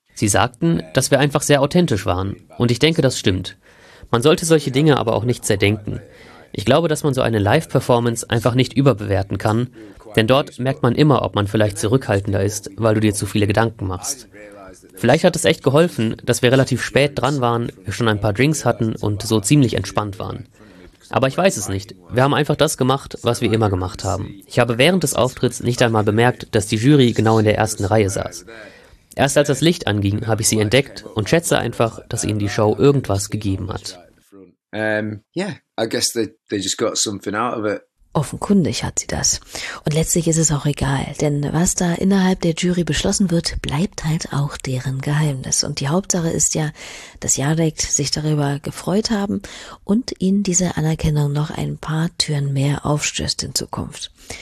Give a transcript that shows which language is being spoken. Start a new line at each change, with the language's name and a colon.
German: Sie sagten, dass wir einfach sehr authentisch waren. Und ich denke, das stimmt. Man sollte solche Dinge aber auch nicht zerdenken. Ich glaube, dass man so eine Live-Performance einfach nicht überbewerten kann, denn dort merkt man immer, ob man vielleicht zurückhaltender ist, weil du dir zu viele Gedanken machst. Vielleicht hat es echt geholfen, dass wir relativ spät dran waren, wir schon ein paar Drinks hatten und so ziemlich entspannt waren. Aber ich weiß es nicht. Wir haben einfach das gemacht, was wir immer gemacht haben. Ich habe während des Auftritts nicht einmal bemerkt, dass die Jury genau in der ersten Reihe saß. Erst als das Licht anging, habe ich sie entdeckt und schätze einfach, dass ihnen die Show irgendwas gegeben hat.
English: Yeah, I guess they just got something out of it.
German: Offenkundig hat sie das. Und letztlich ist es auch egal, denn was da innerhalb der Jury beschlossen wird, bleibt halt auch deren Geheimnis. Und die Hauptsache ist ja, dass Yardak sich darüber gefreut haben und ihnen diese Anerkennung noch ein paar Türen mehr aufstößt in Zukunft.